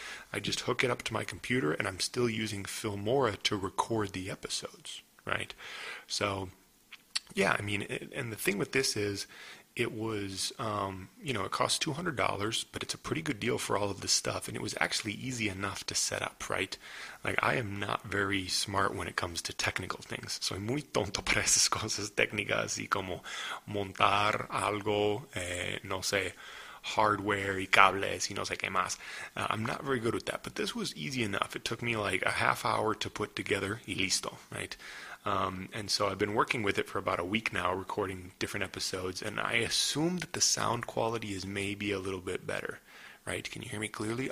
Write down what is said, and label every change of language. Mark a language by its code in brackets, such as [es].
[en] But I just hook it up to my computer, and I'm still using Filmora to record the episodes, right? So, yeah, I mean, and the thing with this is, it was, you know, it cost $200, but it's a pretty good deal for all of this stuff. And it was actually easy enough to set up, right? Like, I am not very smart when it comes to technical things. [es] Soy muy tonto para esas cosas técnicas, y como montar algo, no sé, hardware y cables y no sé qué más. [en] I'm not very good with that, but this was easy enough. It took me like a half hour to put together [es] y listo, [en] right? And so I've been working with it for about a week now, recording different episodes, and I assume that the sound quality is maybe a little bit better, Right? Can you hear me clearly?